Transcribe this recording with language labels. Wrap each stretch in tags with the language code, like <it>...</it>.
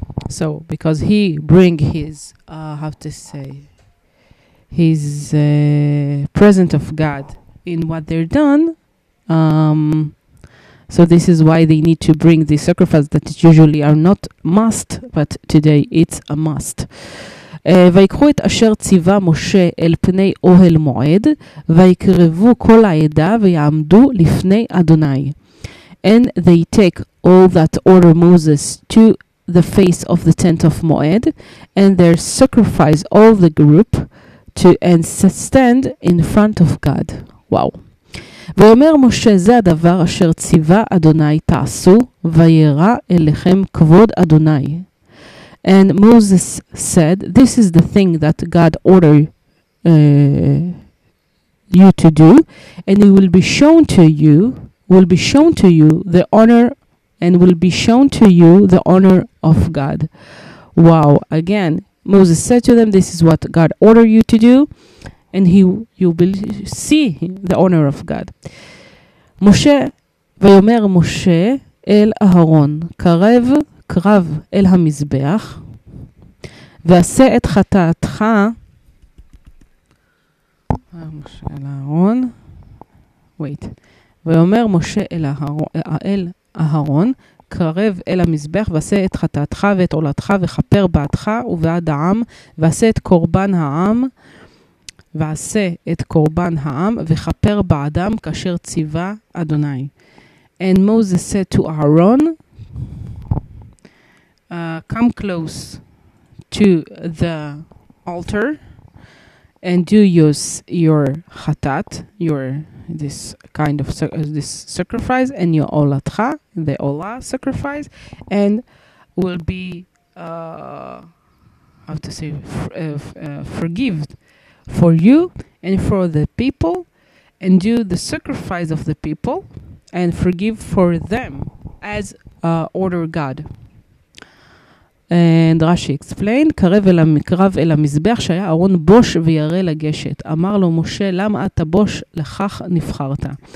<en>So because he bring his present of God in what they're done, so this is why they need to bring the sacrifice that usually are not must, but today it's a must.</en> <he>ויקחו את אשר ציווה משה אל פני אוהל מועד, ויקרבו כל העדה ויעמדו לפני אדוני.</he> <en>And they take all that order Moses to the face of the tent of Moed, and they sacrifice all the group to and stand in front of God. Wow.</en> <he>ואומר משה, זה הדבר אשר ציווה אדוני תעשו, וירא אליכם כבוד אדוני.</he> <en>And Moses said, this is the thing that God ordered you to do, and it will be shown to you, will be shown to you the honor, and will be shown to you the honor of God. Wow. Again, Moses said to them, this is what God ordered you to do, and you will see the honor of God.</en> <he>משה, ויאמר משה אל אהרון, קרב אל המזבח, ועשה את חטאתך, ויאמר משה אל אהרון, קרב אל המזבח, ועשה את חטאתך ואת עולתך, וכפר בעדך ובעד העם, ועשה את קורבן העם, ועשה את קורבן העם וכפר בעדם כאשר ציווה אדוני.</he> <en>And Moses said to Aaron, come close to the altar and do your chatat, your this kind of this sacrifice, and your olatcha, the olah sacrifice, and will be forgiven for you and for the people, and do the sacrifice of the people and forgive for them as order God. And Rashi explained,</en> <he>קרב אל המקרב אל המזבח שהיה אהרון בוש וירא לגשת. אמר לו משה, למה אתה בוש? לכך נבחרת.</he>